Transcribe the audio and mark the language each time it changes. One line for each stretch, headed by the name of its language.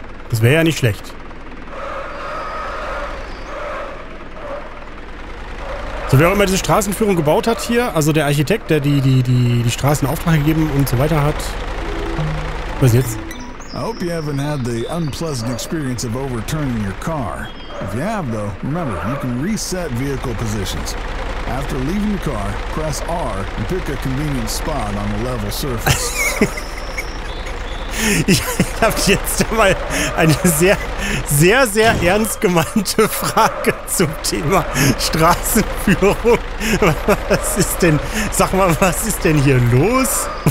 German: Das wäre ja nicht schlecht. So, wer auch immer diese Straßenführung gebaut hat hier, also der Architekt, der die Straßen Auftrag gegeben und so weiter hat. Was jetzt?
English: I hope you haven't had the unpleasant experience of overturning your car. If you have though, remember, you can reset vehicle positions. After leaving the car, press R and pick a convenient spot on the level surface.
German: Ich habe jetzt mal eine sehr, sehr, sehr ernst gemeinte Frage zum Thema Straßenführung. Was ist denn, sag mal, was ist denn hier los?